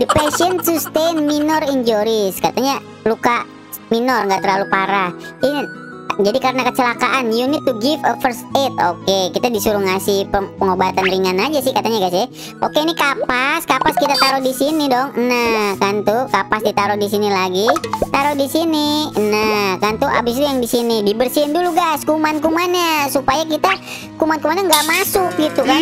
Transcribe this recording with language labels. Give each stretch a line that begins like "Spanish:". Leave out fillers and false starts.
English: The patient sustained minor injuries.
Indonesian: Katanya luka minor, nggak terlalu parah. Ini jadi karena kecelakaan.
English: You need to give a first aid.
Indonesian: Oke, kita disuruh ngasih pengobatan ringan aja sih katanya guys ya. Oke, ini kapas. Kapas kita taruh di sini dong. Nah, kan tuh kapas ditaruh di sini lagi. Taruh di sini. Nah, kan tuh abis itu yang di sini dibersihin dulu guys kuman-kumannya supaya kita kuman-kumannya nggak masuk gitu kan.